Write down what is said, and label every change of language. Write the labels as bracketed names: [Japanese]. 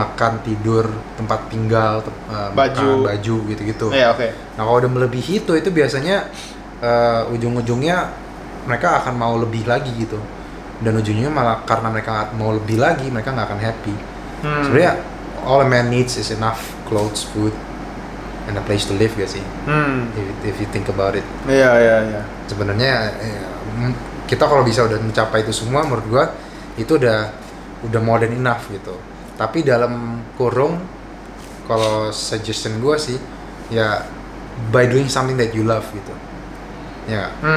[Indonesian] Makan, tidur, tempat tinggal, baju, gitu-gitu. Iya, yeah, oke. [English] Okay. [Indonesian] Nah, kalau udah melebihi itu biasanya ujung-ujungnya mereka akan mau lebih lagi gitu. Dan ujungnya malah karena mereka mau lebih lagi, mereka nggak akan happy. Hmm. Sebenarnya, [English] all a man needs is enough clothes, food, and a place to live, [Indonesian] gak sih? Hmm. [English] If you think about it. [Indonesian] Iya, iya, iya. Sebenarnya kita kalau bisa udah mencapai itu semua, menurut gua itu udah [English] more than enough [Indonesian] gitu. Tapi dalam kurung, kalau suggestion gua sih, ya [English] by doing something that you love [Indonesian] gitu. Ya.